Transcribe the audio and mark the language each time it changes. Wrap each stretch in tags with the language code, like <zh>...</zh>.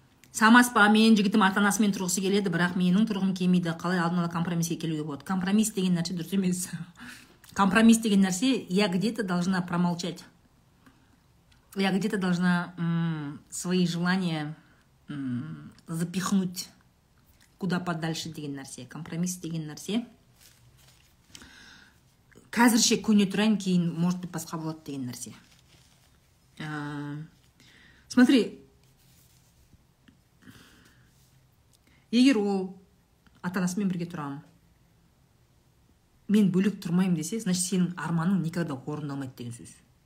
<kk>самаспа мен жігітім ата-анасымен тұрғысы келеді, бірақ менің тұрғым келмейді. Қалай алдын ала компромисске келуге болады? Компромисс деген нәрсе дұрыс емес. Компромисс деген нәрсе,</kk> <ru>я где-то должна промолчать. Я где-то должна свои желания запихнуть куда подальше</ru> <kk>деген нәрсе. Компромисс деген нәрсе, қазірше көне тұрайын, кейін</kk> <ru>может быть</ru> <kk>басқа болады деген нәрсе. Смотри, егер ол ата-анасымен бірге тұрам, мен бөлек тұрмайым десе, значит, сенің арманың никогда орындалмайды деген сөз.</kk>